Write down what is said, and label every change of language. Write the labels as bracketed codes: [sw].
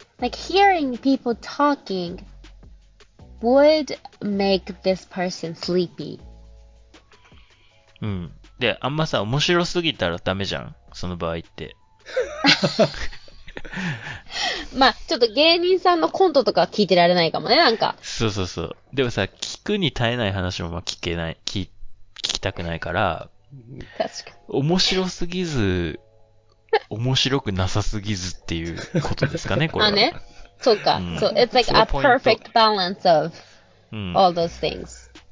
[en] Like hearing people talking would make this person sleepy。うん。 [ja] で、あんまさ、面白すぎたらダメじゃん、その場合って。まあ、ちょっと芸人さんのコントとか聞いてられないかもね、なんか。そうそうそう。でもさ、聞くに耐えない話もまあ聞けない、聞きたくないから、面白すぎず面白くなさすぎずっていうことですかね、これは。あね、そうか、うん、 [en] so it's like a perfect balance of all those things.